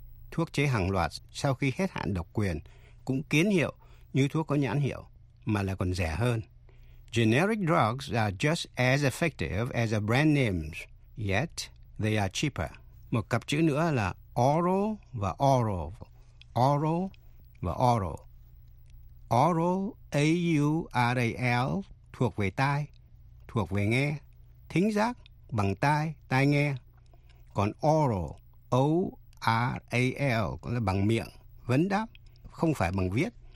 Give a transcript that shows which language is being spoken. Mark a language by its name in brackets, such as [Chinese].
[Vietnamese] Thuốc chế hàng loạt sau khi hết hạn độc quyền cũng kiến hiệu như thuốc có nhãn hiệu, mà lại còn rẻ hơn. [English] Generic drugs are just as effective as a brand names, yet they are cheaper. [Vietnamese] Một cặp chữ nữa là oral và oral. Oral và oral. Oral, A-U-R-A-L, thuộc về tai, thuộc về nghe. Thính giác bằng tai, tai nghe. Còn oral, O-R-A-L, có là bằng miệng, vấn đáp, không phải bằng viết.